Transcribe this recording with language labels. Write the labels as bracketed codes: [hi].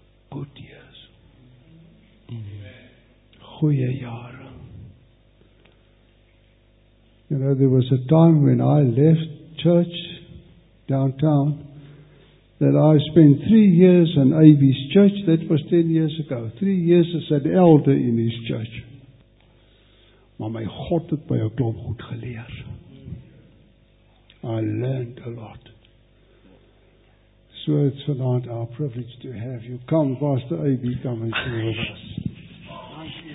[en] Good years. [af] Goeie jare. [en] You know, there was a time when I left church downtown, that I spent 3 years in AB's church. That was 10 years ago. 3 years as an elder in his church. [af] Maar my God het my 'n klomp goed geleer. [en] I learned a lot. So it's vanaand our privilege to have you. Come, Pastor AB, come and sit with us.